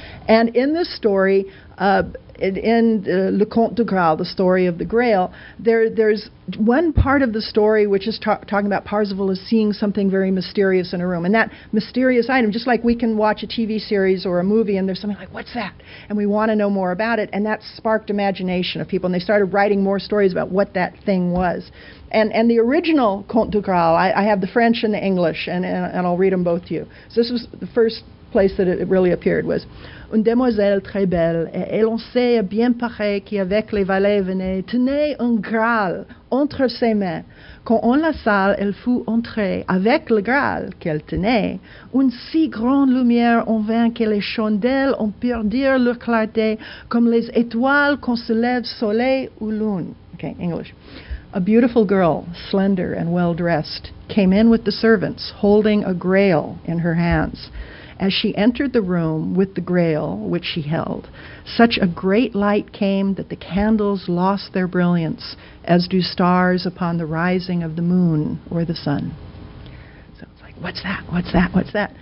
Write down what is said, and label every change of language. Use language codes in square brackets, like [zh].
[en] And in this story, Le Conte de Graal, the story of the Grail, there's one part of the story which is talking about Parzival is seeing something very mysterious in a room. And that mysterious item, just like we can watch a TV series or a movie and there's something like, what's that? And we want to know more about it. And that sparked imagination of people. And they started writing more stories about what that thing was. And the original Conte de Graal, I have the French and the English, and I'll read them both to you. So this was the first place that it really appeared was, [fr] une demoiselle très belle, et élancée et bien parée qui avec les valets venait, tenait un Graal entre ses mains. Quand en la salle elle fut entrée avec le Graal qu'elle tenait, une si grande lumière en vint que les chandelles ont perdu leur clarté comme les étoiles quand se lève soleil ou lune. [en] Okay, English. A beautiful girl, slender and well-dressed, came in with the servants, holding a Grail in her hands. As she entered the room with the Grail, which she held, such a great light came that the candles lost their brilliance, as do stars upon the rising of the moon or the sun. So it's like, what's that? What's that? What's that?